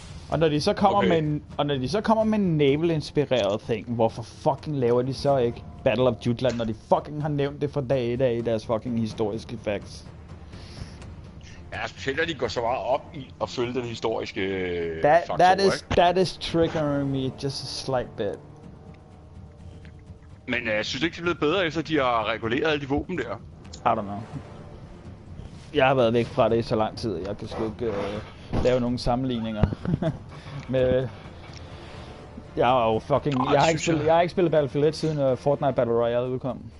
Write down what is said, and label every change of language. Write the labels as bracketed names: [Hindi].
[Danish] Og når de så kommer okay. med naval-inspirerede ting, hvorfor fucking laver de så ikke Battle of Jutland, når de fucking har nævnt det fra dag 1 af i deres fucking historiske facts? Ja, specielt at de går så meget op i at følge den historiske [English] That is triggering me just a slight bit. [Danish] Men jeg synes ikke, det er blevet bedre, efter de har reguleret alle de våben der. [English] I don't know. [Danish] Jeg har været væk fra det i så lang tid, jeg kan sgu ikke lave nogen sammenligninger. Med... Jeg har jo fucking... Jeg har ikke spillet Battlefield 1 siden Fortnite Battle Royale udkom.